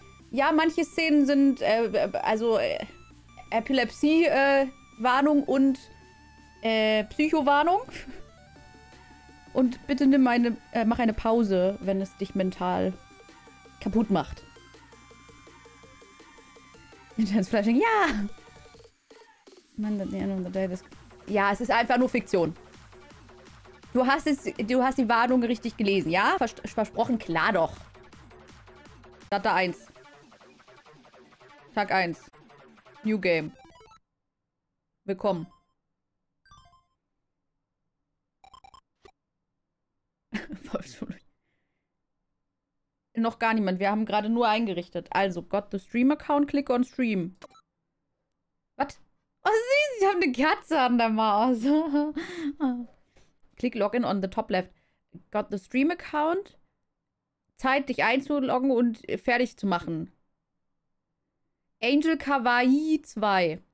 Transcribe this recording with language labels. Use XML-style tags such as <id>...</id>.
<de>Ja, manche Szenen sind, Epilepsie-Warnung und Psycho-Warnung. Und bitte mach eine Pause, wenn es dich mental kaputt macht.</de> <en>Intense Flashing, ja! Man, at the end of the day, this.</en> <de>Ja, es ist einfach nur Fiktion. Du hast die Warnung richtig gelesen, ja? Versprochen, klar doch. Starter 1. Tag 1. New Game. Willkommen. Noch gar niemand. Wir haben gerade nur eingerichtet.</de> <en>Also, got the Stream-Account, click on Stream.</en> <de>Was? Oh, sie haben eine Kerze an der Maus.</de> <en>Click Login on the top left. Got the Stream-Account.</en> <de>Zeit, dich einzuloggen und fertig zu machen. Angel Kawaii 2.</de>